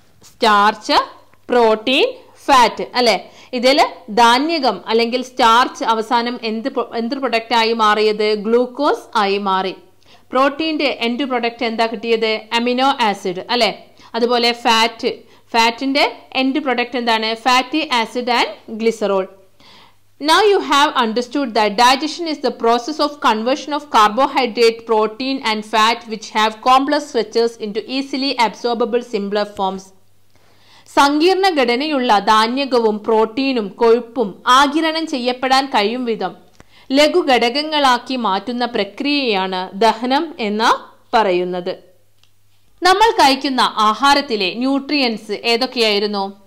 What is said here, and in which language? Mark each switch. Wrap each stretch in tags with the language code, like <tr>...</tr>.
<ml>Starch, protein, fat അല്ലേ. ഇതിൽ ധാന്യകം അല്ലെങ്കിൽ സ്റ്റാർച്ച് അവസാനം എന്ത് പ്രൊഡക്റ്റായി മാറിയത്? ഗ്ലൂക്കോസ് ആയി മാറി. പ്രോട്ടീൻ്റെ എൻഡ് പ്രൊഡക്റ്റ് എന്താ കിട്ടിയത്? അമിനോ ആസിഡ് അല്ലേ. അതുപോലെ ഫാറ്റ്, ഫാറ്റിൻ്റെ എൻഡ് പ്രൊഡക്റ്റ് എന്താണ്?</ml> <en>Fatty acid and glycerol. Now you have understood that digestion is the process of conversion of carbohydrate, protein and fat which have complex structures into easily absorbable simpler forms.</en> <ml>സങ്കീർണ ഘടനയുള്ള ധാന്യകവും പ്രോട്ടീനും കൊഴുപ്പും ആഗിരണം ചെയ്യപ്പെടാൻ കഴിയും വിധം ലഘുഘടകങ്ങളാക്കി മാറ്റുന്ന പ്രക്രിയയാണ് ദഹനം എന്ന് പറയുന്നത്. നമ്മൾ കഴിക്കുന്ന ആഹാരത്തിലെ ന്യൂട്രിയൻസ് ഏതൊക്കെയായിരുന്നു?</ml>